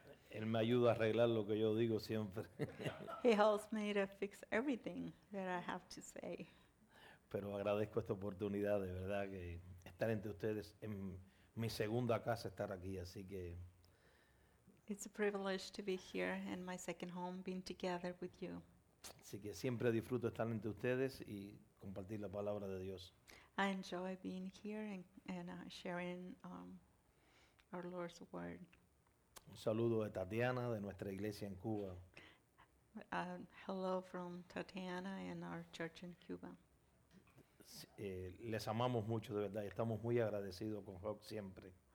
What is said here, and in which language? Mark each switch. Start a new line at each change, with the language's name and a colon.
Spanish: Él me ayuda a arreglar lo que yo digo siempre.
English: He helps me to fix everything that I have to say.
Spanish: Pero agradezco esta oportunidad, de verdad, que estar entre ustedes en mi segunda casa, estar aquí, así que.
English: It's a privilege to be here in my second home, being together with you.
Spanish: Así que siempre disfruto estar entre ustedes y compartir la palabra de Dios.
English: I enjoy being here and sharing our Lord's word.
Spanish: Un saludo de Tatiana de nuestra iglesia en Cuba.
English: Hello from Tatiana and our church in Cuba.
Spanish: Les amamos mucho de verdad y estamos muy agradecidos con Hawk siempre.